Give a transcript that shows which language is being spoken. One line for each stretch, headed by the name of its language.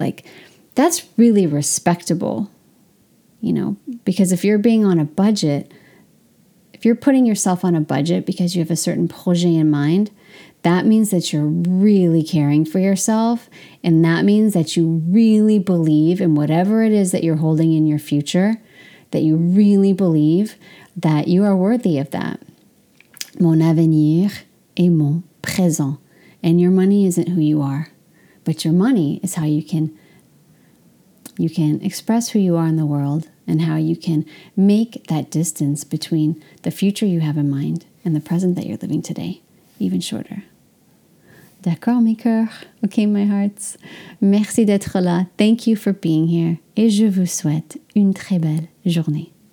English: Like, that's really respectable, you know, because if you're being on a budget, if you're putting yourself on a budget because you have a certain projet in mind, that means that you're really caring for yourself, and that means that you really believe in whatever it is that you're holding in your future, that you really believe that you are worthy of that.
French: Mon avenir est mon présent.
English: And your money isn't who you are, but your money is how you can express who you are in the world and how you can make that distance between the future you have in mind and the present that you're living today even shorter.
French: D'accord, mes cœurs.
English: Okay, my hearts.
French: Merci d'être là.
English: Thank you for being here.
French: Et je vous souhaite une très belle journée.